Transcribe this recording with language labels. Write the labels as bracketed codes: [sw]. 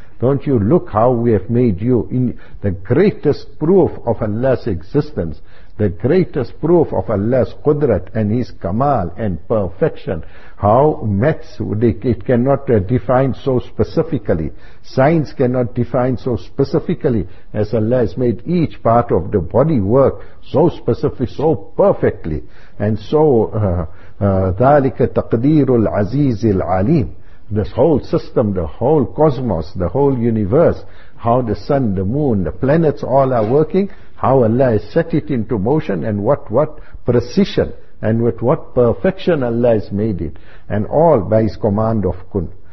[en] Don't you look how we have made you, in the greatest proof of Allah's existence, the greatest proof of Allah's qudrat and His kamal and perfection. How maths, it cannot define so specifically. Science cannot define so specifically as Allah has made each part of the body work so specific, so perfectly. And so, [ar] ذَلِكَ تَقْدِيرُ الْعَزِيزِ الْعَلِيمِ. [en] This whole system, the whole cosmos, the whole universe, how the sun, the moon, the planets all are working, how Allah has set it into motion, and what precision and with what perfection Allah has made it, and all by His command of kun.